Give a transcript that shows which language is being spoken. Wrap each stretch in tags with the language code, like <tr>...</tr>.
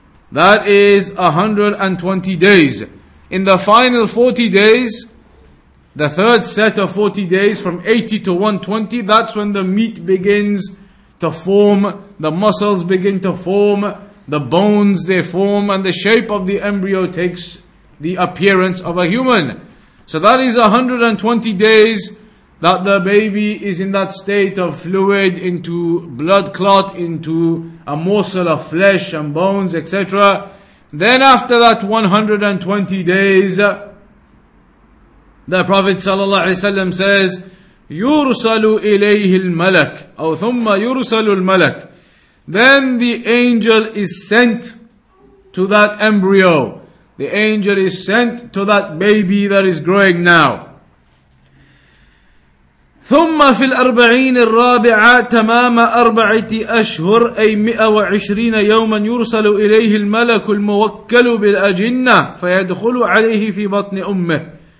<en>That is 120 days. In the final 40 days, the third set of 40 days from 80 to 120, that's when the meat begins to form, the muscles begin to form, the bones they form, and the shape of the embryo takes the appearance of a human. So that is 120 days that the baby is in that state of fluid into blood clot, into a morsel of flesh and bones, etc. Then after that 120 days, the Prophet ﷺ says,</en> <ar>يُرْسَلُ إِلَيْهِ الْمَلَكُ أَوْ ثُمَّ يُرْسَلُ الْمَلَكُ.</ar> <en>Then the angel is sent to that embryo. The angel is sent to that baby that is growing now.</en> <ar>ثُمَّ فِي الْأَرْبَعِينِ الرَّابِعَةِ تَمَامَ أَرْبَعَةِ أَشْهُرٍ أَيْ 120 يَوْمًا يُرْسَلُ إِلَيْهِ الْمَلَكُ الْمُوَكَّلُ بِالْأَجِنَّةِ فَيَدْخُلُ عَلَيْهِ فِي بَطْنِ أُمِّهِ.</ar>